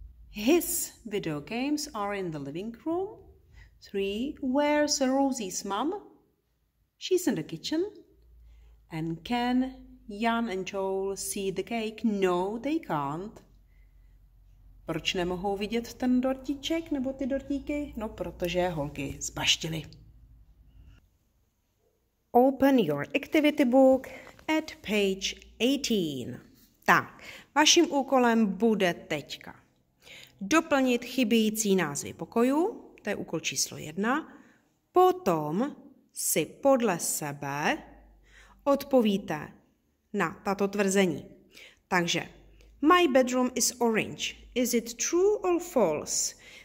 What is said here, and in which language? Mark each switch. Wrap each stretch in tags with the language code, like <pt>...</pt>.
<en>His video games are in the living room. 3. Where's Rosie's mom? She's in the kitchen. And can Jan and Joel see the cake? No, they can't.</en> <cs>Proč nemohou vidět ten dortíček nebo ty dortíky? No, protože holky zbaštily.</cs> <en>Open your activity book at page 18.</en> <cs>Tak, vaším úkolem bude teďka doplnit chybějící názvy pokojů, to je úkol číslo 1. Potom si podle sebe odpovíte na tato tvrzení.</cs> <en>Takže, my bedroom is orange. Is it true or false?</en>